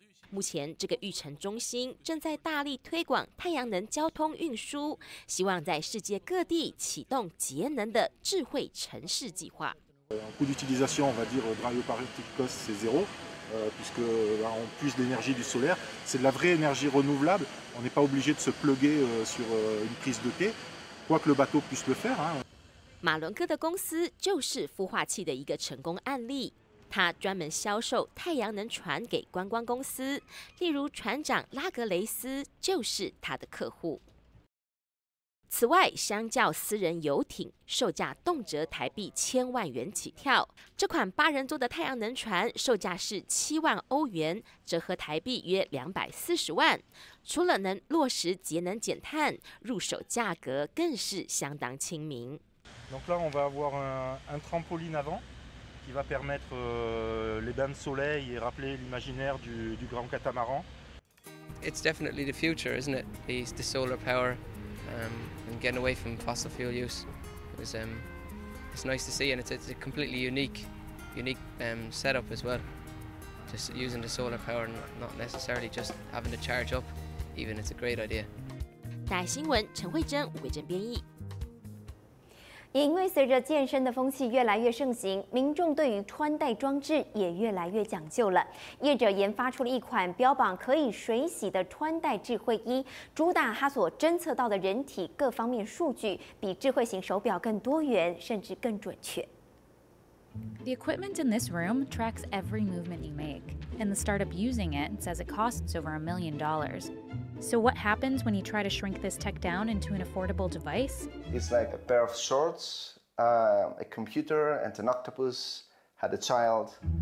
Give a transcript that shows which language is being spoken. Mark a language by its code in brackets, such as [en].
[zh] 目前，这个育成中心正在大力推广太阳能交通运输，希望在世界各地启动节能的智慧城市计划。 [fr] Un coût d'utilisation, on va dire, de l'aéroportique coste, c'est zéro, puisque là, on puise l'énergie du solaire. C'est de la vraie énergie renouvelable. On n'est pas obligé de se pluguer sur une prise de quai, quoique le bateau puisse le faire. [zh] 马伦哥的公司就是孵化器的一个成功案例。他专门销售太阳能船给观光公司，例如船长拉格雷斯就是他的客户。此外，相较私人游艇，售价动辄台币千万元起跳，这款8人座的太阳能船售价是7万欧元，折合台币约240万。除了能落实节能减碳，入手价格更是相当亲民。 [fr] Donc là, on va avoir un trampoline avant qui va permettre les bains de soleil et rappeler l'imaginaire du grand catamaran. [en] It's definitely the future, isn't it? It's the solar power. And getting away from fossil fuel use is it's nice to see, and it's a completely unique setup as well. to using the solar power and not necessarily just having to charge up, even it's a great idea. [zh] 台新闻陈慧珍、吴维珍编译。也因为随着健身的风气越来越盛行，民众对于穿戴装置也越来越讲究了。业者研发出了一款标榜可以水洗的穿戴智慧衣，主打它所侦测到的人体各方面数据，比智慧型手表更多元，甚至更准确。 [en] The equipment in this room tracks every movement you make, and the startup using it says it costs over $1 million. So what happens when you try to shrink this tech down into an affordable device? It's like a pair of shorts, a computer, and an octopus had a child.